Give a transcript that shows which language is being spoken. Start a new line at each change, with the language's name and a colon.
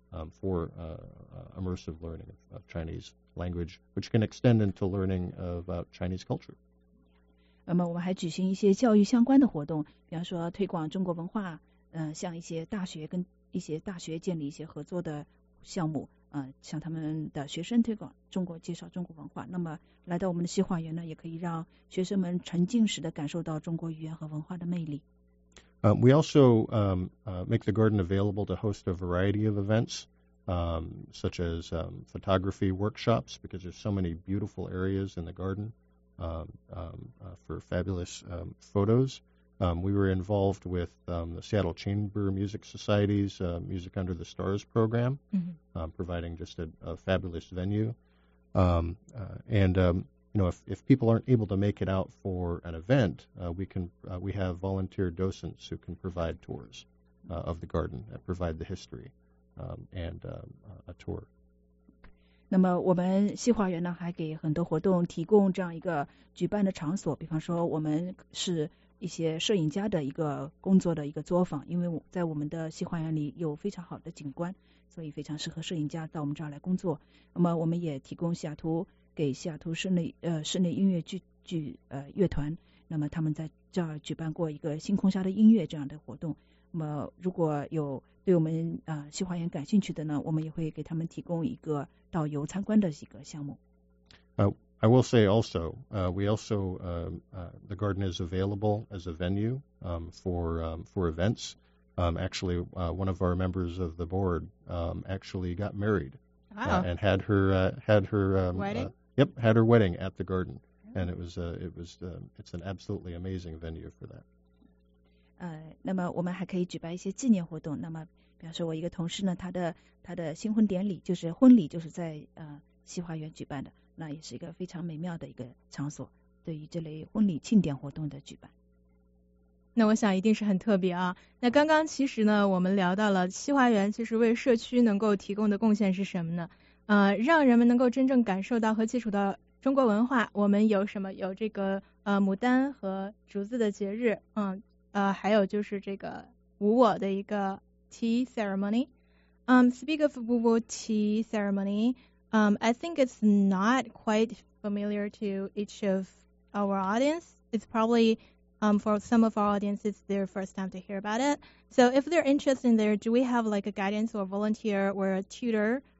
English: For immersive learning of Chinese language, which can extend into learning about Chinese culture.
Chinese: 那么我们还举行一些教育相关的活动，比方说推广中国文化，像一些大学跟一些大学建立一些合作的项目，向他们的学生推广中国，介绍中国文化。那么来到我们的西华园呢，也可以让学生们沉浸式的感受到中国语言和文化的魅力。
English: We also make the garden available to host a variety of events, such as photography workshops, because there's so many beautiful areas in the garden for fabulous photos. We were involved with the Seattle Chamber Music Society's Music Under the Stars program, mm-hmm. Providing just a fabulous venue. You know, if people aren't able to make it out for an event, we have volunteer docents who can provide tours of the garden and provide the history a tour.
Chinese: 那么我们西华园呢还给很多活动提供这样一个举办的场所，比方说我们是一些摄影家的一个工作的一个作坊，因为在我们的西华园里有非常好的景观，所以非常适合摄影家到我们这儿来工作。那么我们也提供西雅图给西雅图室内音乐剧乐团，那么他们在这儿举办过一个星空下的音乐这样的活动。那么如果有对我们西华园感兴趣的呢，我们也会给他们提供一个导游参观的一个项目。
English: I will say also, we also the garden is available as a venue for events. Actually, one of our members of the board actually got married and had her wedding at the garden, and it's an absolutely amazing venue for that.
Chinese: 那么我们还可以举办一些纪念活动。那么，比方说，我一个同事呢，他的新婚典礼就是婚礼，就是在西华园举办的，那也是一个非常美妙的一个场所，对于这类婚礼庆典活动的举办。那我想一定是很特别啊。那刚刚其实呢，我们聊到了西华园，其实为社区能够提供的贡献是什么呢？让人们能够真正感受到和接触到中国文化，我们有什么？有这个牡丹和竹子的节日，还有就是这个无我的一个
English: tea ceremony. Speak of Wuwo tea ceremony, I think it's not quite familiar to each of our audience. It's probably for some of our audience, it's their first time to hear about it. So if they're interested in there, do we have like a guidance or a volunteer or a tutor?